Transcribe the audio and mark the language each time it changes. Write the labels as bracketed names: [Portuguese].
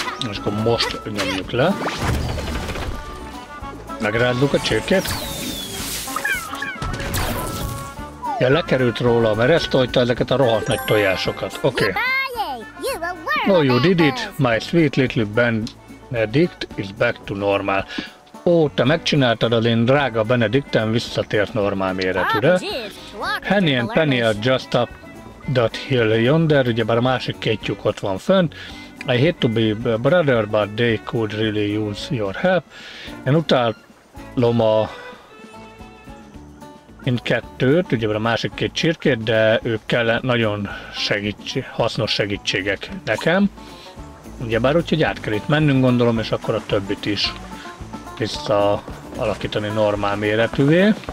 [Hungarian] És akkor most nyomjuk le. Megrázzuk a csirkét. Ja, lekerült róla a meresztolta ezeket a rohadt nagy tojásokat. [English] Oké. Okay. Oh, you did it. My sweet little Benedict is back to normal. [Hungarian] Ó, oh, te megcsináltad az én drága Benedictem visszatért normál méretűre. [English] Henny and Penny are just up that hill yonder. [Hungarian] Ugyebár a másik két tyúk ott van fönt. [English] I hate to be a brother, but they could really use your help. [Hungarian] Én utálom a... Mind kettőt, ugye a másik két csirkét, de ők kellene nagyon hasznos segítségek nekem. Ugyebár úgyhogy át kell itt mennünk, gondolom, és akkor a többit is vissza alakítani normál méretűvé.